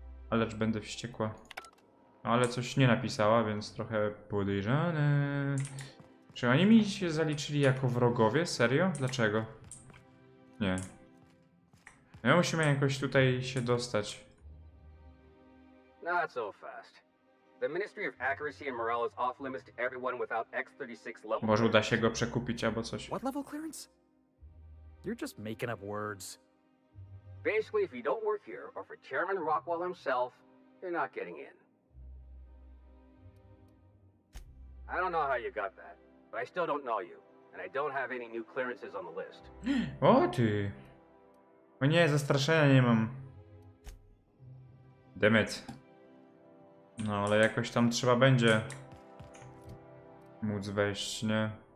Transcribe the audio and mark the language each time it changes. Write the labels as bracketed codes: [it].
[pl] Ale lecz będę wściekła. No, ale coś nie napisała, więc trochę podejrzane. Czy oni mi się zaliczyli jako wrogowie? Serio? Dlaczego? Nie. My musimy jakoś tutaj się dostać. [en] Not so fast. The Ministry of Accuracy and Morale is off limits to everyone without X36 level. [pl] Może uda się go przekupić albo coś. [en] What level clearance? You're just making up words. Basically, if you don't work here or for Chairman Rockwell himself, you're not getting in. I don't know how you got that. But I still don't know you, and I don't have any new clearances on the list. [pl] O ty. O nie, zastraszenia nie mam. [en] Damn it. [pl] No ale jakoś tam trzeba będzie móc wejść, nie?